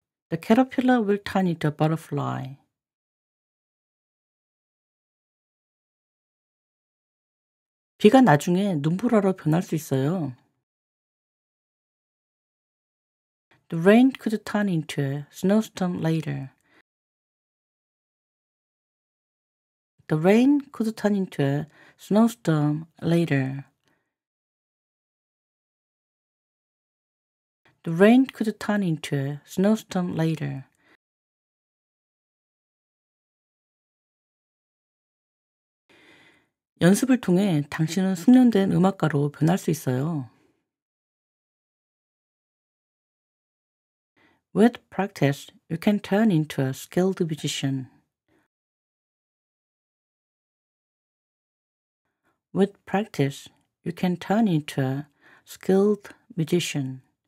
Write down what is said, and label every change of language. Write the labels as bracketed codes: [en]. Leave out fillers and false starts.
[en] The caterpillar will turn into a butterfly. [ko] 비가 나중에 눈보라로 변할 수 있어요. [en] The rain could turn into a snowstorm later. The rain could turn into a snowstorm later. The rain could turn into a snowstorm later. [ko] 연습을 통해 당신은 숙련된 음악가로 변할 수 있어요. [en] With practice, you can turn into a skilled musician. With practice, you can turn into a skilled musician.